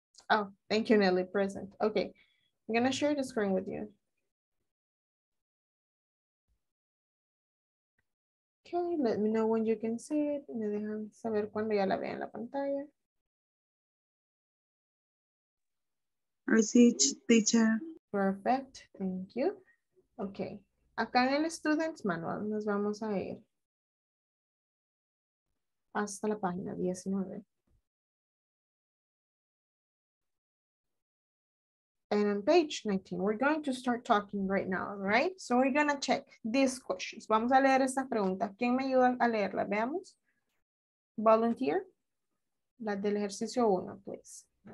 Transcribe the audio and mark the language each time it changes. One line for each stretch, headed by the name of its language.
English: Oh, thank you, Nelly. Present. Okay, I'm going to share the screen with you. Okay, let me know when you can see it.
Spanish: Me dejan saber cuando ya la vean en la pantalla.
English: I see, teacher. Perfect, thank you.
Spanish: Okay, acá en el student's manual nos vamos a ir hasta la página 19.
English: And on page 19, we're going to start talking right now, right? So we're gonna check these questions.
Spanish: Vamos a leer estas preguntas. ¿Quién me ayuda a leerlas? Veamos. Volunteer. La del ejercicio 1, please.